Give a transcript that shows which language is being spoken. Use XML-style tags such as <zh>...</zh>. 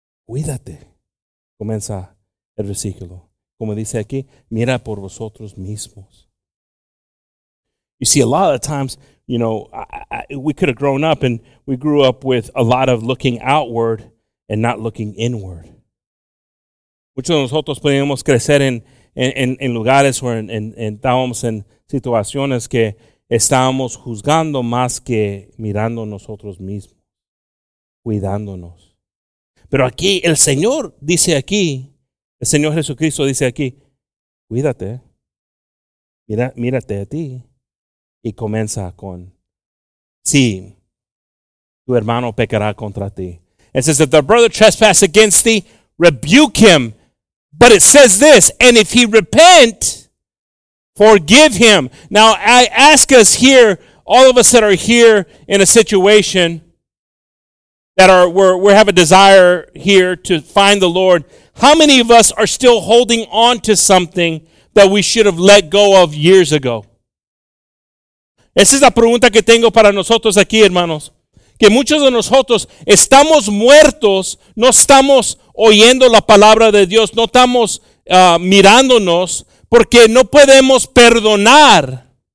<es>Cuídate. Comienza el versículo. Como dice aquí, mira por vosotros mismos.</es> <en>You see, a lot of times, you know, we could have grown up and we grew up with a lot of looking outward and not looking inward.</en> <es>Muchos de nosotros podemos crecer en lugares o estábamos en situaciones que estábamos juzgando más que mirando nosotros mismos, cuidándonos. Pero aquí el Señor dice aquí, el Señor Jesucristo dice aquí, cuídate, mírate a ti. Y comienza con, sí, tu hermano pecará contra ti.</es> <en>It says, if the brother trespass against thee, rebuke him. But it says this, and if he repent, forgive him. Now, I ask us here, all of us that are here in a situation that are we have a desire here to find the Lord, how many of us are still holding on to something that we should have let go of years ago?</en> <es>Esa es la pregunta que tengo para nosotros aquí, hermanos. que muchos de nosotros estamos muertos, no estamos oyendo la palabra de Dios, no estamos mirándonos, porque no podemos perdonar.</es>